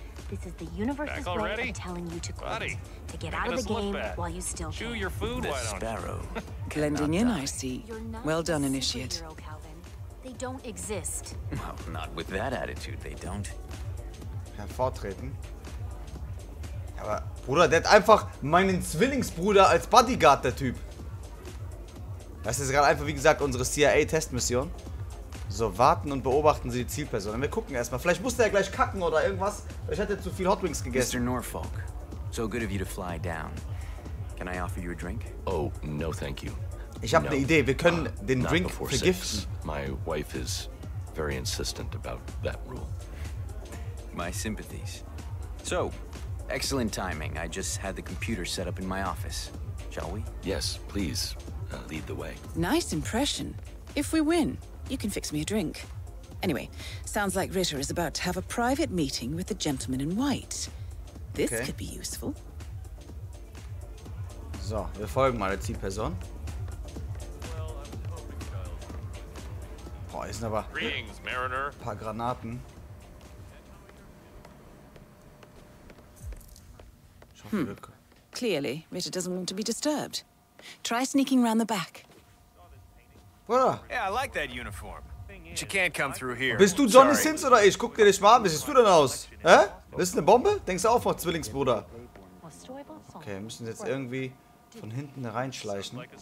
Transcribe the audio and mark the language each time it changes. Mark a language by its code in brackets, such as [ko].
[en] This is the universe's way of telling you to quit. To get out of the game while you still chew your food. A sparrow. Blending in, I see. Well done, Initiate. They don't exist. Well, not with that attitude, they don't. [de] Hervortreten. Aber, Bruder, der hat einfach meinen Zwillingsbruder als Bodyguard, der Typ. Das ist gerade einfach, wie gesagt, unsere CIA-Testmission. So, warten und beobachten Sie die Zielperson. Wir gucken erstmal. Vielleicht musste er gleich kacken oder irgendwas. Ich hätte zu viel Hot Wings gegessen. [en] Mr. Norfolk, so good of you to fly down. Can I offer you a drink? Oh, no, thank you. [de] Ich habe eine Idee. Wir können den Drink vergiften. [en] Six. My wife is very insistent about that rule. My sympathies. So, excellent timing. I just had the computer set up in my office. Shall we? Yes, please. Lead the way. Nice impression. If we win, you can fix me a drink. Anyway, sounds like Ritter is about to have a private meeting with the gentleman in white. This okay. could be useful. [de] So, wir folgen mal der Zielperson. Boah, hier sind aber [en] Greetings, Mariner. [de] Ein paar Granaten. Ich hoffe, wir können. [en] Clearly, Ritter doesn't want to be disturbed. Try sneaking around the back. [de] Bruder. [en] Yeah, I like that uniform. She can't come through here. [de] Bist du Johnny Sins oder ich? Guck dir das mal an. Wie siehst du denn aus? Hä? Bist du eine Bombe? Denkst du auch noch, Zwillingsbruder? Okay, wir müssen jetzt irgendwie von hinten reinschleichen.